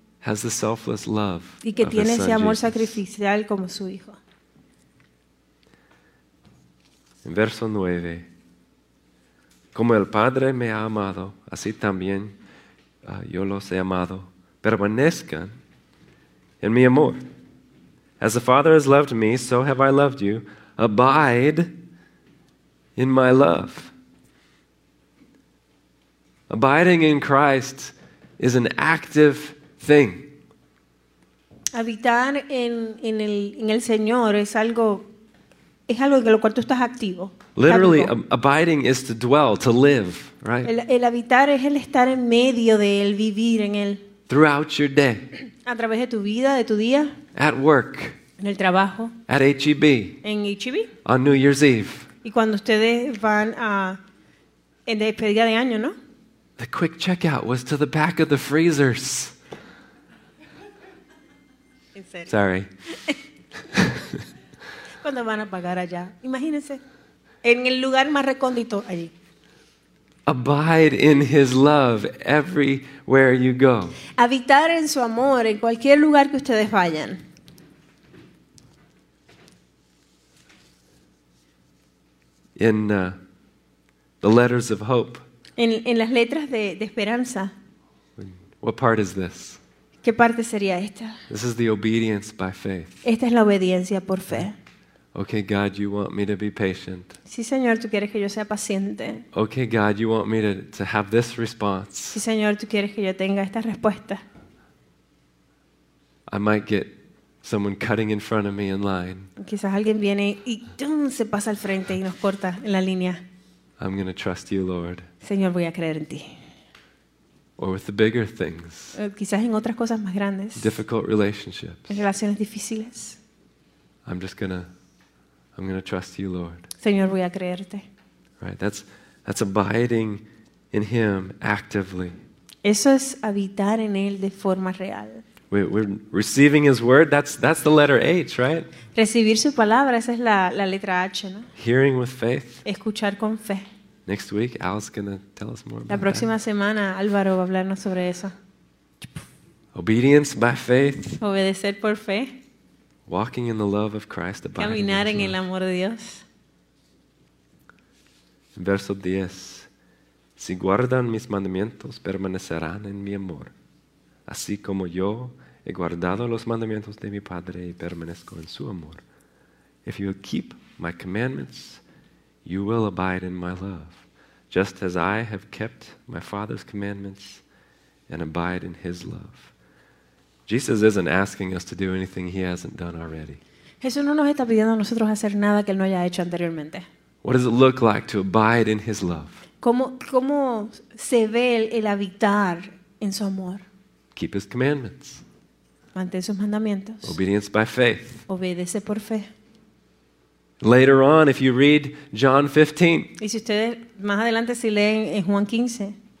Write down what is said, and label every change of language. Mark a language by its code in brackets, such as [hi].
[en] Has the selfless love. [es] Y que tiene ese amor sacrificial como su hijo. En verso 9. Como el Padre me ha amado, así también yo los he amado. Permanezcan en mi amor. [en] As the Father has loved me, so have I loved you. Abide in my love. Abiding in Christ is an active thing. [es] Habitar en el Señor es algo. Es algo en lo cual tú estás activo. [en] Literally, abiding is to dwell, to live, right? [es] El habitar es el estar en medio de él, vivir en él. [en] Throughout your day. [es] A través de tu vida, de tu día. [en] At work. [es] En el trabajo. [en] At HEB. [es] En HEB. [en] On New Year's Eve. [es] Y cuando ustedes van a en despedida de año, ¿no? [en] The quick checkout was to the back of the freezers. [es] ¿En serio? [en] Sorry. [es] Cuando van a pagar allá. Imagínense. En el lugar más recóndito allí. [en] Abide in his love everywhere you go. [es] Habitar en su amor en cualquier lugar que ustedes vayan. [en] In the letters of hope. [es] En las letras de esperanza. [en] What part is this? [es] ¿Qué parte sería esta? [en] This is the obedience by faith. [es] Esta es la obediencia por fe. [en] Okay, God, you want me to be patient. [es] Sí, Señor, tú quieres que yo sea paciente. [en] Okay, God, you want me to have this response. [es] Sí, Señor, tú quieres que yo tenga esta respuesta. [en] I might get someone cutting in front of me in line. [es] Quizás alguien viene y ¡tum! Se pasa al frente y nos corta en la línea. [en] I'm going to trust you, Lord. [es] Señor, voy a creer en ti. [en] Or with the bigger things. [es] Quizás en otras cosas más grandes. [en] Difficult relationships. [es] En relaciones difíciles. [en] I'm going to trust you, Lord. [es] Señor, voy a creerte. [en] Right, that's abiding in him actively. [es] Eso es habitar en él de forma real. [en] We're receiving his word, that's the letter H, right? [es] Recibir su palabra, esa es la letra H, ¿no? [en] Hearing with faith. [es] Escuchar con fe. [en] Next week, Al's going to tell us more about that. [es] La próxima semana, Álvaro va a hablarnos sobre eso. [en] Obedience by faith. [es] Obedecer por fe. [en] Walking in the love of Christ, abiding in [es] Caminar en el amor de Dios. Verso 10. Si guardan mis mandamientos, permanecerán en mi amor. Así como yo he guardado los mandamientos de mi Padre y permanezco en su amor. [en] If you keep my commandments, you will abide in my love. Just as I have kept my Father's commandments and abide in his love. Jesus isn't asking us to do anything he hasn't done already. [es] Jesús no nos está pidiendo a nosotros hacer nada que él no haya hecho anteriormente. [en] What does it look like to abide in his love? [es] ¿Cómo se ve el habitar en su amor? [en] Keep his commandments. [es] Mantén sus mandamientos. [en] Obedience by faith. [es] Obedece por fe. [en] Later on, if you read John 15, [es] y si ustedes más adelante si leen en Juan 15,